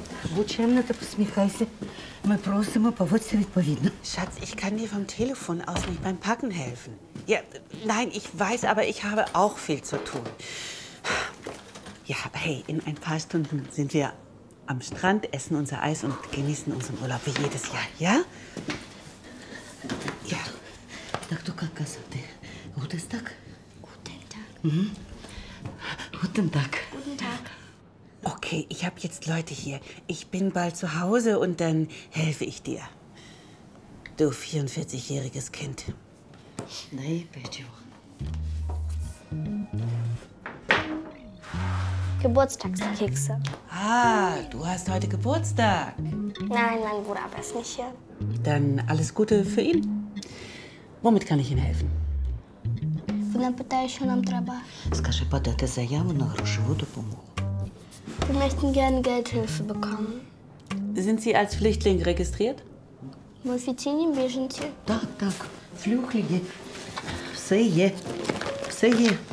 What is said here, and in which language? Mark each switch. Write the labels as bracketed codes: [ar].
[uk] Будь чемна та посміхайся. Ми просимо поводься відповідно. [de] Schatz, ich kann dir vom Telefon aus nicht beim Packen helfen. Ja, nein, ich weiß, aber ich habe auch viel zu tun. Ja, aber hey, in ein paar Stunden sind wir am Strand, essen unser Eis und genießen unseren Urlaub wie jedes Jahr, ja? [uk] Ja. Так то как казати? [de] Гуден так? Гуден так. Гуден так. Гуден так. Okay, ich habe jetzt Leute hier. Ich bin bald zu Hause und dann helfe ich dir. Du 44-jähriges Kind. Nee, Petjo. Geburtstagskekse. Ah, du hast heute Geburtstag. Nein, mein Bruder, aber ist nicht hier. Dann alles Gute für ihn. Womit kann ich Ihnen helfen? [uk] Вона питає, що нам треба. Скажи, подати заяву на грошову допомогу. [de] Wir möchten gerne Geldhilfe bekommen. Sind Sie als Flüchtling registriert? [uk] Ми офіційні біженці. Так, так, флюхліги. Все є. Все є.